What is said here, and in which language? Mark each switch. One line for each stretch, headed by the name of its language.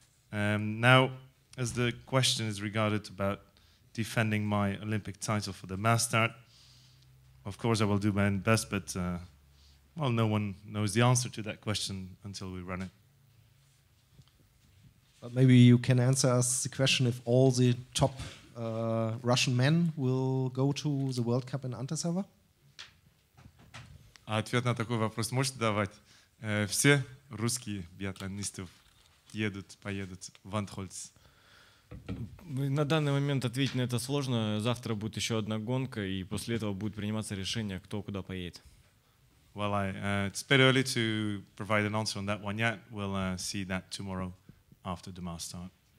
English: Now, as the question is regarded about defending my Olympic title for the mass start, of course I will do my best, but well, no one knows the answer to that question until we run it. But maybe you can answer us the question if all the top Russian men will go to the World Cup in Antasava?
Russian: Ответ на такой вопрос можете давать? Все русские биатлонисты поедут в Антхольц? На данный момент ответить на это сложно. Завтра будет еще одна гонка, и после этого будет приниматься решение, кто куда поедет.
English: Well, it's a bit early to provide an answer on that one yet. We'll see that tomorrow after the mass start.